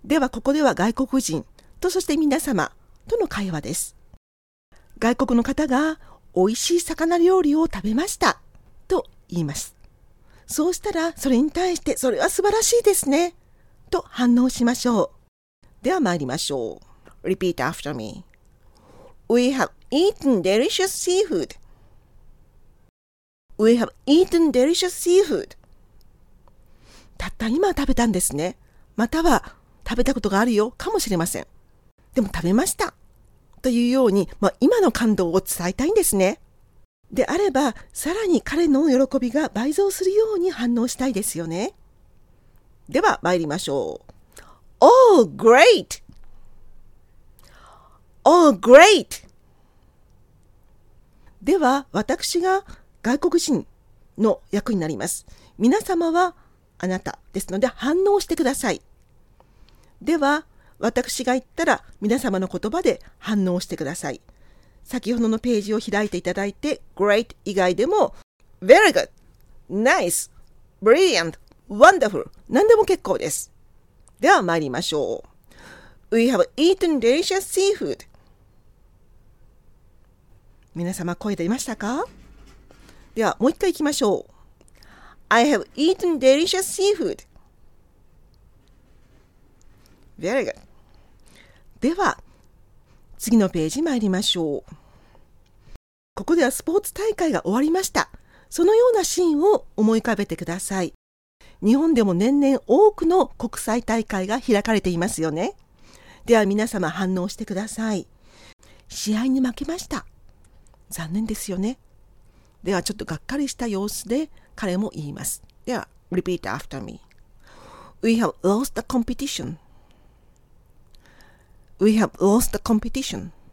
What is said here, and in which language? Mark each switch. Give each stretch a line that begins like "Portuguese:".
Japanese: ではここでは外国人と、そして皆様との会話です。外国の方が美味しい魚料理を食べましたと言います。そうしたら、それに対して、それは素晴らしいですねと反応しましょう。では参りましょう。
English: Repeat after me. We have eaten delicious seafoodWe have eaten delicious seafood.
Japanese: たった今食べたんですね。または食べたことがあるよかもしれません。でも食べました。というように、まあ、今の感動を伝えたいんですね。であれば、さらに彼の喜びが倍増するように反応したいですよね。では参りましょう。
English: Oh, great! Oh, great!
Japanese: では私が外国人の役になります。皆様はあなたですので、反応してください。では私が言ったら、皆様の言葉で反応してください。先ほどのページを開いていただいて、 Great 以外でも Very good, Nice, Brilliant, Wonderful、 何でも結構です。では参りましょう。
English: We have eaten delicious seafood。
Japanese: 皆様、声出ましたか？ではもう一回いきましょう。
English: I have eaten delicious seafood. Very good.
Japanese: では、次のページ参りましょう。ここではスポーツ大会が終わりました。そのようなシーンを思い浮かべてください。日本でも年々多くの国際大会が開かれていますよね。では皆様反応してください。試合に負けました。残念ですよね。ではちょっとがっかりした様子で彼も言います。
English: では、repeat after me. We have lost the competition. We have lost the competition.